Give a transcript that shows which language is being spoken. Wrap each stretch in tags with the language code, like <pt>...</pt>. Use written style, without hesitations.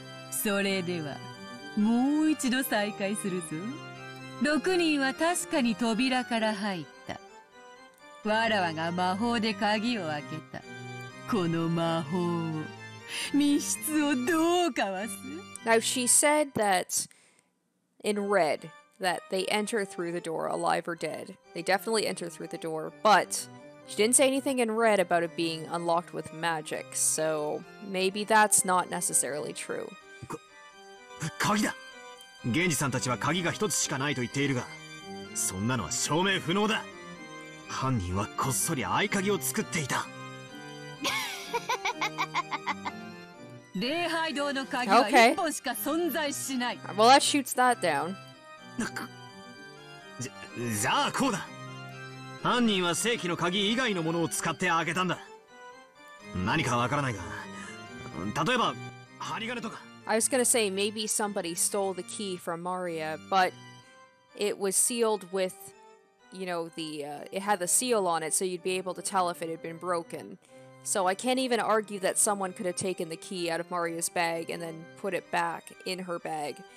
<ja>それでは、もう一度再開するぞ。六人は確かに扉から入った。わらわが魔法で鍵を開けた。この魔法を、密室をどうかわす?</ja> <en>Now she said that... In red, that they enter through the door, alive or dead. They definitely enter through the door, but she didn't say anything in red about it being unlocked with magic, so maybe that's not necessarily true.</en> <ja>Kagida! Genji-san たちは鍵が一つしかないと言っているが、そんなのは証明不能だ。犯人はこっそり合鍵を作っていた。礼拝堂の鍵は一本しか存在しない。</ja> <en>Okay. Well, that shoots that down.</en> <ja>じゃあこうだ。犯人は正規の鍵以外のものを使って開けたんだ。何かわからないが、例えば針金とか。</ja> <en>I was gonna say maybe somebody stole the key from Maria, but it was sealed with, you know, it had the seal on it, so you'd be able to tell if it had been broken. So I can't even argue that someone could have taken the key out of Maria's bag and then put it back in her bag.</en>